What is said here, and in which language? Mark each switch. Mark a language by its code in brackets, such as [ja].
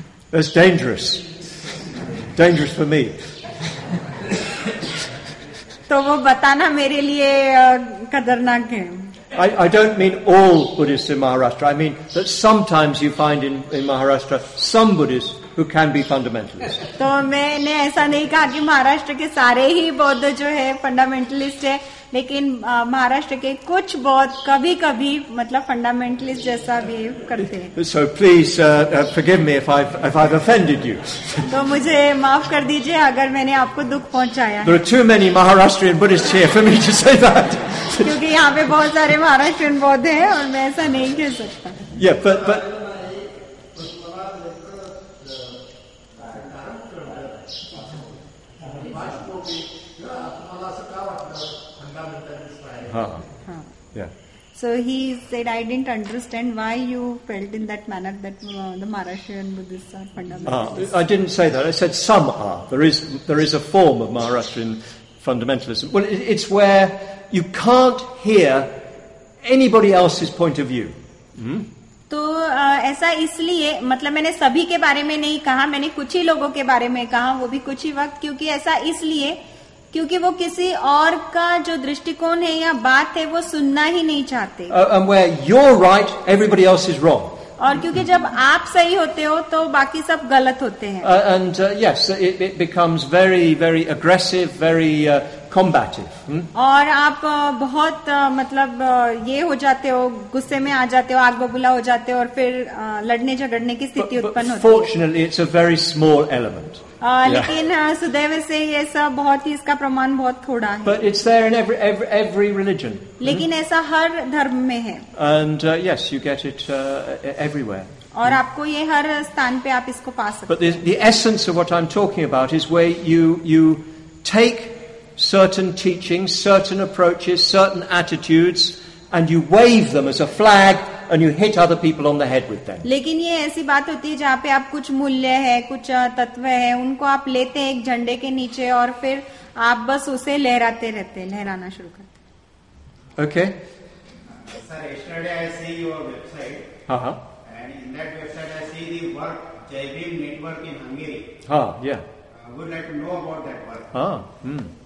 [en] That's dangerous. Dangerous for me. [hi] तो वो बताना मेरे लिए खतरनाक है. [en] I don't mean all Buddhists in Maharashtra. I mean that sometimes you find in Maharashtra some Buddhists who can be fundamentalists. [hi] तो मैंने ऐसा नहीं कहा कि महाराष्ट्र के सारे ही बौद्ध जो है फंडामेंटलिस्ट है, लेकिन महाराष्ट्र के कुछ बौद्ध कभी कभी मतलब फंडामेंटलिस्ट जैसा बिहेव करते हैं. [en] So please forgive me if I've offended you. [hi] तो मुझे माफ कर दीजिए अगर मैंने आपको दुख पहुंचाया. [en] There are too many Maharashtrian Buddhists here for me to say that. [hi] क्योंकि यहाँ पे बहुत सारे महाराष्ट्रियन बौद्ध हैं और मैं ऐसा नहीं कह सकता. [en] Yeah, but So he said, I didn't understand why you felt in that manner that the Maharashtrian Buddhists are fundamentalists. I didn't say that. I said some are. There is a form of Maharashtrian fundamentalism. Well, it's where you can't hear anybody else's point of view. [hi] तो ऐसा इसलिए मतलब मैंने सभी के बारे में नहीं कहा, मैंने कुछ ही लोगों के बारे में कहा, वो भी कुछ ही वक्त, क्योंकि ऐसा इसलिए क्योंकि वो किसी और का जो दृष्टिकोण है या बात है वो सुनना ही नहीं चाहते. [en] Where you're right, everybody else is wrong. [hi] और क्योंकि जब आप सही होते हो तो बाकी सब गलत होते हैं. [en] And yes, it becomes very, very aggressive, very combative. [hi] और आप बहुत मतलब ये हो जाते हो, गुस्से में आ जाते हो, आग बबूला हो जाते हो और फिर लड़ने झगड़ने की स्थिति उत्पन्न होती है. [en] Fortunately, it's a very small element. [hi] लेकिन सदैव से ये सब बहुत ही इसका प्रमाण बहुत थोड़ा है. [en] But it's there in every religion. [hi] लेकिन ऐसा हर धर्म में है. [en] And yes, you get it everywhere. [hi] और आपको ये हर स्थान पे आप इसको पा सकते हैं. [en] But the essence of what I'm talking about is where you take certain teachings, certain approaches, certain attitudes, and you wave them as a flag. And you hit other people on the head with them. [hi] लेकिन ये ऐसी बात होती है जहाँ पे आप कुछ मूल्य है, कुछ तत्व है, उनको आप लेते हैं एक झंडे के नीचे और फिर आप बस उसे लहराते रहते हैं, लहराना शुरू करते हैं. [en] Okay. Sir, yesterday I see your website. Uh-huh. And in that website I see the work Jai Bhim Network in Hungary. Yeah. I would like to know about that work.